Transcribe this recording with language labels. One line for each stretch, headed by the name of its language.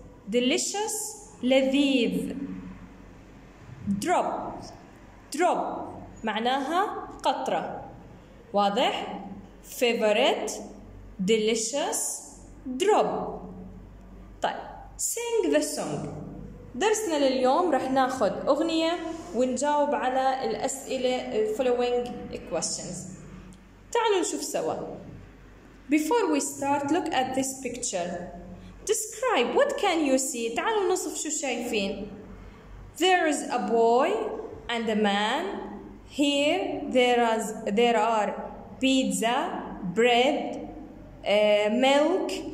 Arabic: delicious لذيذ. drop معناها قطرة. واضح؟
English: favorite, delicious, drop.
Arabic: طيب
English: sing the song.
Arabic: درسنا لليوم رح ناخد أغنية ونجاوب على الأسئلة
English: following questions.
Arabic: تعالوا نشوف سوا.
English: Before we start, look at this picture. Describe what can you see.
Arabic: تعالوا نصف شو شايفين.
English: There is a boy and a man. Here there are pizza, bread, milk.